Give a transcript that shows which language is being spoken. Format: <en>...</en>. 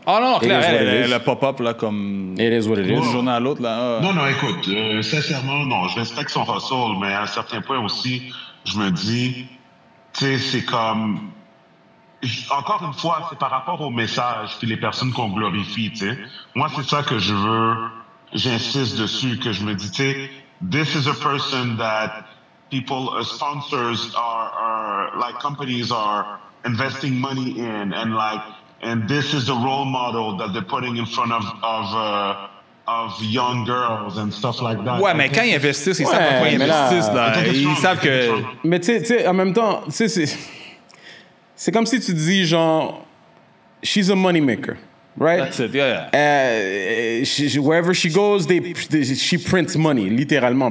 <fr>Ah non, clair, elle pop-up, là, comme...</fr> <en>It is what it is.</en> <fr>Une journée à l'autre, là. Non, écoute, sincèrement, non, je respecte son hustle, mais à un certain point aussi, je me dis, tu sais, c'est comme... Encore une fois, c'est par rapport au message puis les personnes qu'on glorifie, tu sais. Moi, c'est ça que je veux... J'insiste dessus que je me dis, tu sais,</fr> <en>this is a person that people, sponsors are like companies are investing money in, and like, and this is the role model that they're putting in front of young girls and stuff like that.</en> <fr>Ouais, mais quand ils investissent, ils savent pourquoi ils investissent là. Ils savent que. Mais tu sais, en même temps, tu sais, c'est comme si tu dis genre,</fr> <en>she's a money maker. Right? That's it, yeah. Wherever she goes, she prints money, littéralement.</en>